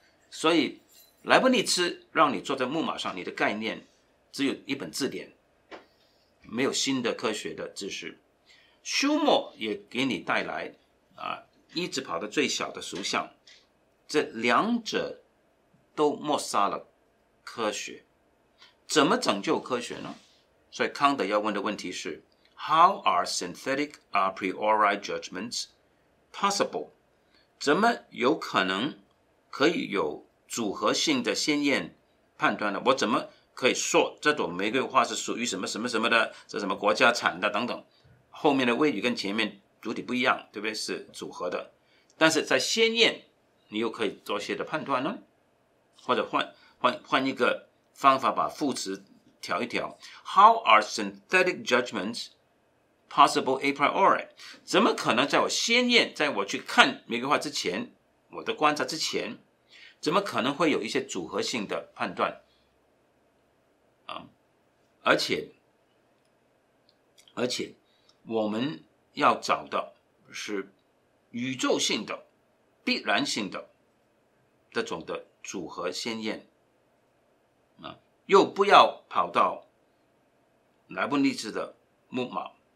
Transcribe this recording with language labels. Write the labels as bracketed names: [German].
[Chinese] 所以莱布尼茨让你坐在木马上，你的概念只有一本字典，没有新的科学的知识。休谟也给你带来啊，一直跑到最小的属相，这两者都抹杀了科学。怎么拯救科学呢？所以康德要问的问题是 [English] How are synthetic a priori judgments possible? [Chinese] 怎么有可能可以有组合性的先验判断呢？我怎么可以说这朵玫瑰花是属于什么什么什么的，是什么国家产的等等，后面的谓语跟前面主体不一样，对不对？是组合的。但是在先验你又可以做些的判断呢？或者换一个方法，把副词调一调。 [English] How are synthetic judgments possible a priori? [Chinese] 怎么可能在我先验，在我去看玫瑰花之前，我的观察之前，怎么可能会有一些组合性的判断？而且我们要找的是宇宙性的必然性的这种的组合先验，又不要跑到莱布尼茨的木马。